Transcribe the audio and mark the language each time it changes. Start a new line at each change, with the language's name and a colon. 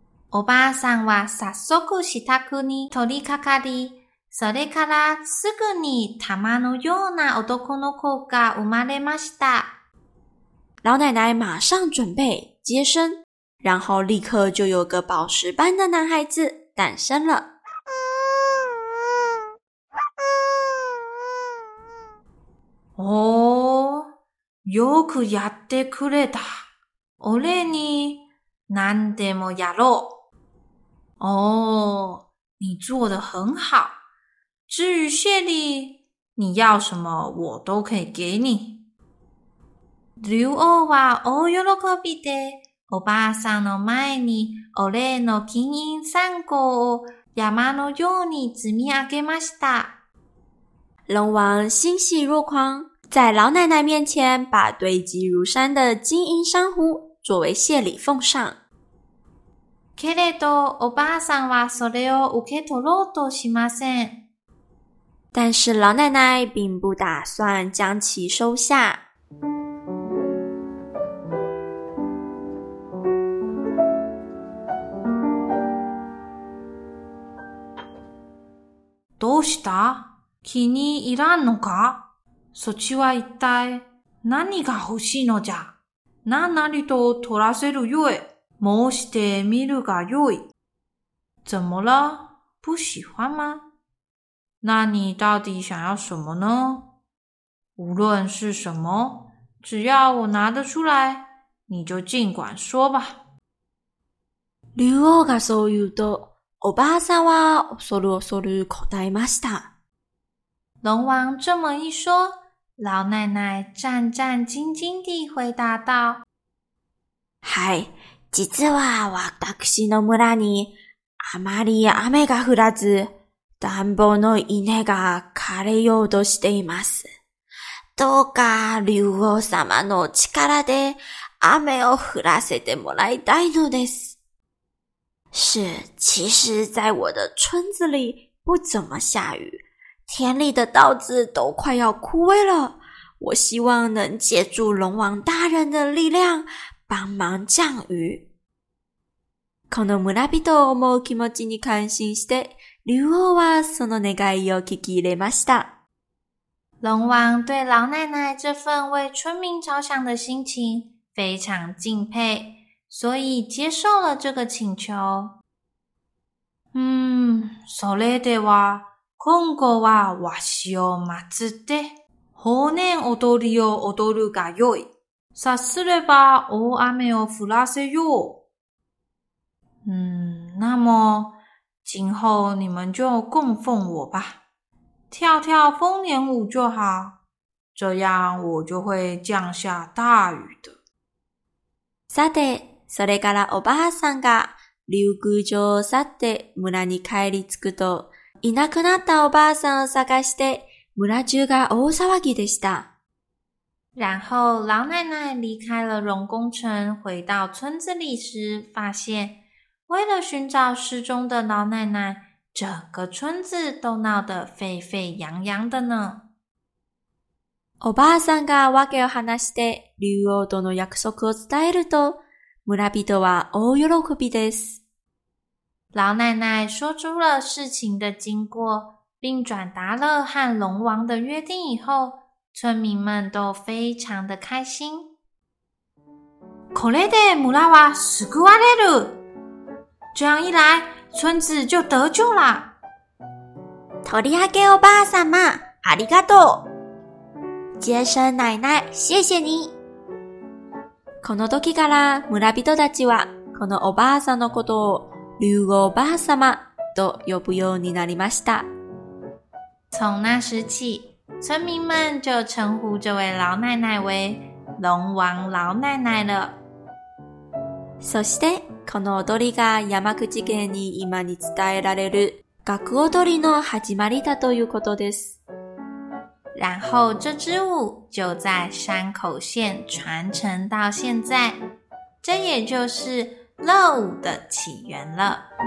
Japanese: おばあさんは早速支度に取り掛かり、それからすぐに玉のような男の子が生まれました。
Chinese: 老奶奶马上准备接生，然后立刻就有个宝石般的男孩子诞生了。
Japanese: おー、よくやってくれた。俺に何でもやろう。
Chinese: おー、你做得很好。至于谢礼，你要什么我都可以给你。
Japanese: 竜王は大喜びで、おばあさんの前に俺の金銀三個を山のように積み上げました。
Chinese: 龙王欣喜若狂，在老奶奶面前把堆积如山的金银珊瑚作为谢礼奉上。
Japanese: けれど、おばあさんはそれを受け取ろうとしません。
Chinese: 但是老奶奶并不打算将其收下。
Japanese: どうした？気に入らんのか？そちは一体何が欲しいのじゃ。何なりと取らせるよえ。申してみるがよい。
Chinese: 怎么了？不喜欢吗？那你到底想要什么呢？无论是什么，只要我拿得出来，你就尽管说吧。
Japanese: 竜王がそう言うと、おばあさんは恐る恐る答えました。
Chinese: 龙王这么一说，老奶奶战战兢兢地回答道：“
Japanese: はい、実は私の村にあまり雨が降らず、田んぼの稲が枯れようとしています。どうか竜王様の力で雨を降らせてもらいたいのです。
Chinese: 是，其实在我的村子里不怎么下雨。” 田里的稻子都快要枯萎了，我希望能借助龙王大人的力量帮忙降雨。
Japanese: この村人を思う気持ちに感心して、竜王はその願いを聞き入れました。
Chinese: 龙王对老奶奶这份为村民着想的心情非常敬佩，所以接受了这个请求。
Japanese: それでは。今後はわしを祀って、豊年踊りを踊るがよい。さすれば大雨を降らせよう。
Chinese: 那么、今後你们就供奉我吧。跳跳丰年舞就好。这样我就会降下大雨的。
Japanese: さて、それからおばあさんが、竜宮城を去って村に帰り着くと、いなくなったおばあさんを探して村中が大騒ぎでした。
Chinese: 然后老奶奶离开了龙宫城，回到村子里时，发现为了寻找失踪的老奶奶，整个村子都闹得沸沸扬扬的呢。
Japanese: おばあさんが訳を話して竜王との約束を伝えると、村人は大喜びです。
Chinese: 老奶奶说出了事情的经过，并转达了和龙王的约定以后，村民们都非常的开心。
Japanese: これで村は救われる。
Chinese: 这样一来，村子就得救啦。
Japanese: 取り上げおばあさま、ありがとう。
Chinese: 接生奶奶、谢谢你。
Japanese: この時から村人たちは、このおばあさんのことを、竜王おばあさまと呼ぶようになりました。
Chinese: 从那时起，村民们就称呼这位老奶奶为龙王老奶奶了。
Japanese: そしてこの踊りが山口県に今に伝えられる楽踊りの始まりだということです。
Chinese: 然后这支舞就在山口县传承到现在，这也就是乐舞的起源了。